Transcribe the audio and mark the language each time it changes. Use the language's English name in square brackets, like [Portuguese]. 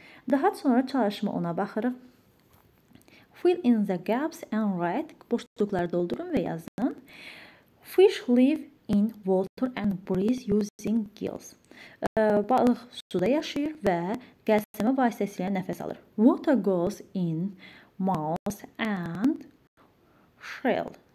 [Azerbaijani] Daha sonra çalışma ona baxırıq. [English] Fill in the gaps and write. [Azerbaijani] Boşluqları doldurun və yazın. [English] Fish live in water and breathe using gills. [Azerbaijani] Balıq suda yaşayır və qəlsəmə vasitəsilə nəfəs alır. [English] Water goes in mouth and shell.